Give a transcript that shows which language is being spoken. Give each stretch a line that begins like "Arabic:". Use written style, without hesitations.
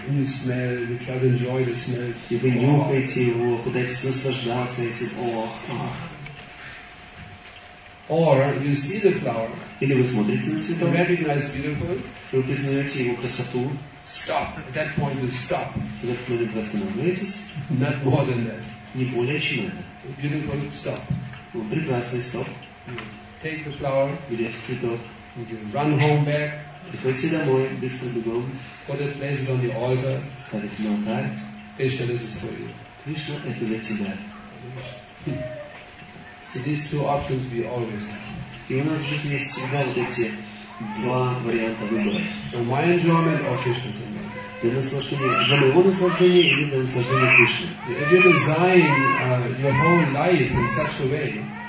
English: You smell, you try to enjoy the smell.
Russian: И вы нюхаете его, пытаетесь наслаждаться этим. Ох, ох.
English: Or you see the flower.
Russian: Или вы смотрите на цветок.
English: Recognize beautiful.
Russian: Вы признаете его красоту.
English: Stop. At that point you stop.
Russian: В этот момент вы останавливаетесь.
English: Not more than that.
Russian: Не более чем это.
English: Beautiful, stop.
Russian: Прекрасный, стоп.
English: Take the flower.
Russian: Берете цветок.
English: Would you run home back?
Russian: И пойти домой быстро бегом.
English: Put it placed on the altar.
Russian: Ставить на алтарь.
English: Кришна, this is for you.
Russian: Кришна, это для тебя.
English: So these two options we always have.
Russian: И у нас в жизни есть всегда вот эти два варианта выбора.
English: For my enjoyment or Krishna's enjoyment.
Russian: Для наслаждения, для моего наслаждения или для наслаждения Кришны.
English: If you design your whole life in such a way.